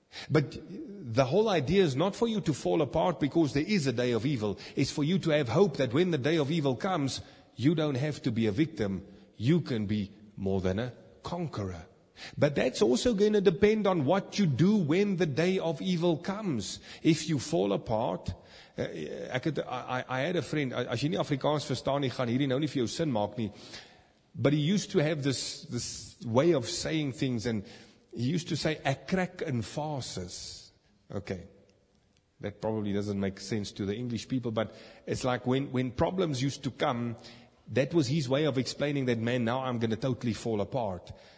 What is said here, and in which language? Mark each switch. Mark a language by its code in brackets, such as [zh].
[en] But the whole idea is not for you to fall apart because there is a day of evil. It's for you to have hope that when the day of evil comes, you don't have to be a victim. You can be more than a conqueror. But that's also going to depend on what you do when the day of evil comes. If you fall apart, I had a friend, [af] as jy nie Afrikaans verstaan nie, gaan hierdie nou nie vir jou sin maak nie. [en] But he used to have this way of saying things, and he used to say, [af] "Ek krak in fases." [en] Okay, that probably doesn't make sense to the English people, but it's like when problems used to come, that was his way of explaining that, "Man, now I'm going to totally fall apart."